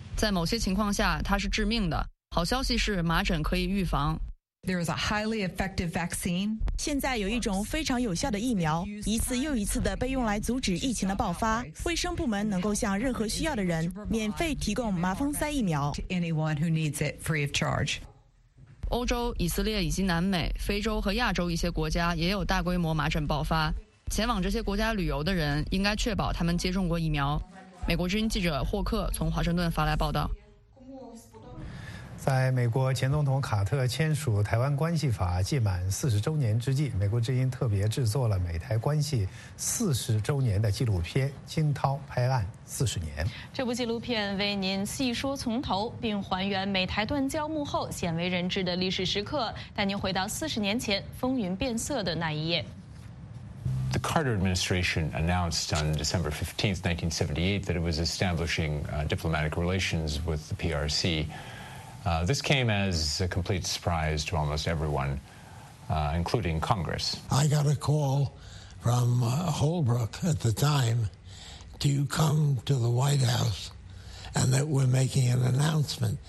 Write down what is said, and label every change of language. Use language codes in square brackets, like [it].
[zh] 在某些情况下，它是致命的。好消息是，麻疹可以预防。 [en] There is a highly effective vaccine. [zh] 现在有一种非常有效的疫苗，一次又一次的被用来阻止疫情的爆发。卫生部门能够向任何需要的人免费提供麻风塞疫苗。 [en] To anyone who needs it, free of charge. [zh] 欧洲、以色列以及南美、非洲和亚洲一些国家也有大规模麻疹爆发。前往这些国家旅游的人应该确保他们接种过疫苗。美国之音记者霍克从华盛顿发来报道。在美国前总统卡特签署《台湾关系法》届满40周年之际，美国之音特别制作了美台关系40周年的纪录片《惊涛拍岸40年》。这部纪录片为您细说从头，并还原美台断交幕后鲜为人知的历史时刻，带您回到40年前风云变色的那一页。 [en] The Carter administration announced on December 15th, 1978, that it was establishing diplomatic relations with the PRC. This came as a complete surprise to almost everyone, including Congress. I got a call from Holbrooke at the time to come to the White House and that we're making an announcement.